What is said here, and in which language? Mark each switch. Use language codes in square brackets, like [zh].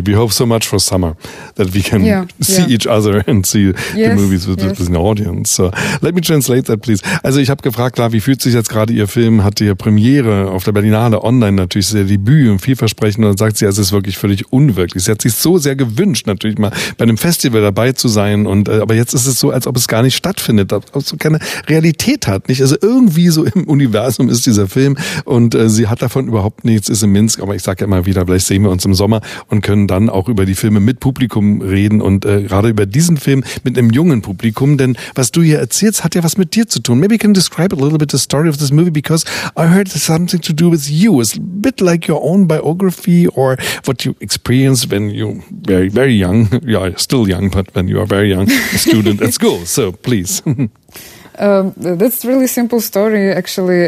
[en] We hope so much for summer that we can see each other and see the movies with an audience. So let me translate that, please. [de] Also ich habe gefragt, klar, wie fühlt sich jetzt gerade Ihr Film, hatte ja Premiere auf der Berlinale online, natürlich sehr Debüt und vielversprechend, und dann sagt sie, es ist wirklich völlig unwirklich. Sie hat sich so sehr gewünscht, natürlich mal bei einem Festival dabei zu sein, und aber jetzt ist es so, als ob es gar nicht stattfindet, als ob es so keine Realität hat, nicht? Also irgendwie so im Universum ist dieser Film und sie hat davon überhaupt nichts, ist in Minsk, aber ich sage ja immer wieder, vielleicht sehen wir uns im Sommer und können dann auch über die Filme mit Publikum reden und gerade über diesen Film mit einem jungen Publikum, denn was du hier erzählst, hat ja was mit dir zu tun. [en] Maybe you can describe a little bit the story of this movie, because I heard it's something to do with you. It's a bit like your own biography or what you experienced when you were very, very young. Yeah, still young, but when you are very young, a student at school. So, please. That's a really simple story, actually.